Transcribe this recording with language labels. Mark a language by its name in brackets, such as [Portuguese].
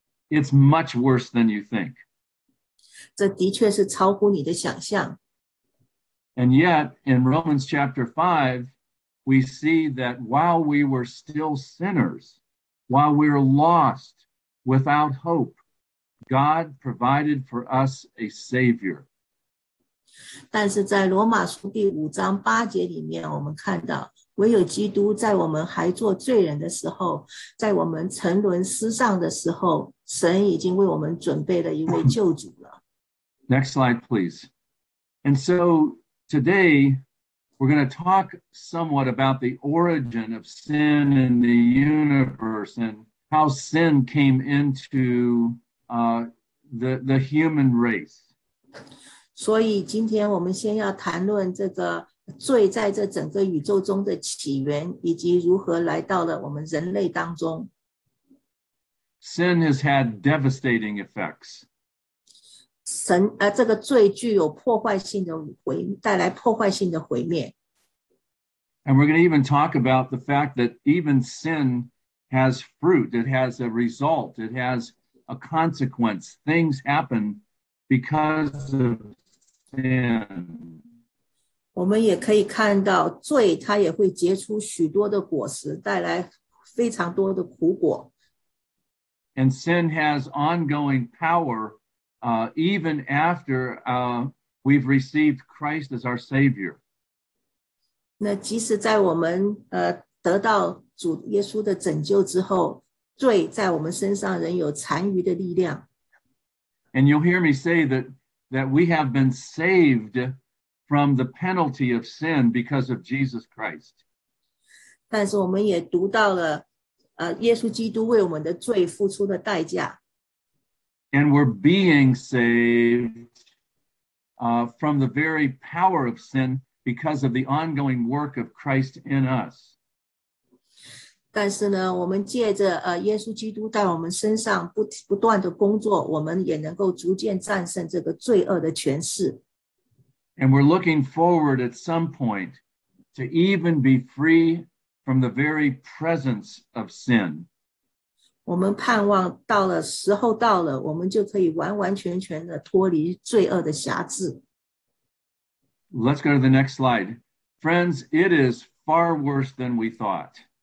[English] It's much worse than you think. [Chinese] 这的确是超乎你的想象。 [English] And yet, in Romans chapter 5, we see that while we were still sinners, while we were lost, without hope, God provided for us a Savior. [Chinese] 但是在罗马书第五章八节里面，我们看到，唯有基督在我们还做罪人的时候，在我们沉沦失丧的时候，神已经为我们准备了一位救主了。 [English] Next slide, please. And so,Today, we're going to talk somewhat about the origin of sin in the universe and how sin came into the human race. [Chinese] 所以今天我们先要谈论这个罪在这整个宇宙中的起源以及如何来到了我们人类当中。 [English] Sin has had devastating effects. [Chinese] 这个罪具有破坏性的毁，带来破坏性的毁灭。 [English] And we're going to even talk about the fact that even sin has fruit, it has a result, it has a consequence. Things happen because of sin. [Chinese] 我们也可以看到罪它也会结出许多的果实，带来非常多的苦果。 [English] And sin has ongoing power. Even after we've received Christ as our Savior. [Chinese] 那即使在我们得到主耶稣的拯救之后，罪在我们身上仍有残余的力量。 [English] And you'll hear me say that we have been saved from the penalty of sin because of Jesus Christ. [Chinese] 但是我们也读到了耶稣基督为我们的罪付出的代价。 [English] And we're being saved from the very power of sin because of the ongoing work of Christ in us. [Chinese] 但是呢，我们借着耶稣基督在我们身上不断的工作，我们也能够逐渐战胜这个罪恶的权势。 [English] And we're looking forward at some point to even be free from the very presence of sin. [Chinese] 我们盼望到了时候到了，我们就可以完完全全的脱离罪恶的辖制。 [English] Let's go to the next slide. Friends, it is far worse than we thought.